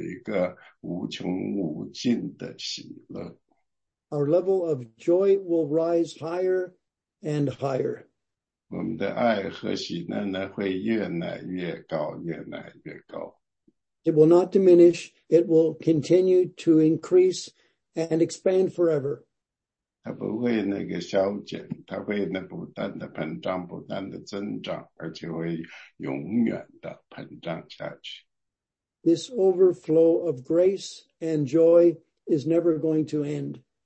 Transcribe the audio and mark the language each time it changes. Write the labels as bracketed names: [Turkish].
[Chinese] 那就是我们来到了那个永恒的时候呢，那里有一个无穷无尽的喜乐。 [English] Our level of joy will rise higher and higher. [Chinese] 我们的爱和喜乐呢，会越来越高，越来越高。 [English] It will not diminish, it will continue to increase and expand forever. [Chinese] 它不会那个消减，它会那不断的膨胀，不断的增长，而且会永远的膨胀下去。 [English] This overflow of grace and joy is never going to end.